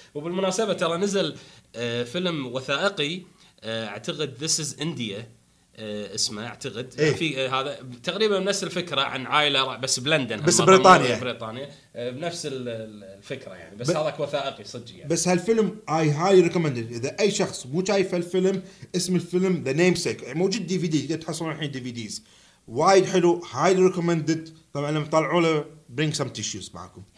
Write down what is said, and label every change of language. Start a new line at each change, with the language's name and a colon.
Arabic: وبالمناسبة ترى نزل فيلم وثائقي أعتقد This is India اسمه أعتقد إيه؟ في هذا تقريبا نفس الفكرة عن عائلة بس بلندن بس بريطانيا بريطانيا بنفس الفكرة يعني بس هذاك وثائقي صجي يعني. بس هالفيلم
English: I highly recommend it.
Arabic: إذا أي شخص مو شايف الفيلم اسم الفيلم The Namesake موجود دي في دي تحصلون الحين دي في ديز وايد حلو
English: highly recommended
Arabic: طبعا لما طلعوا له
English: bring some tissues
Arabic: معكم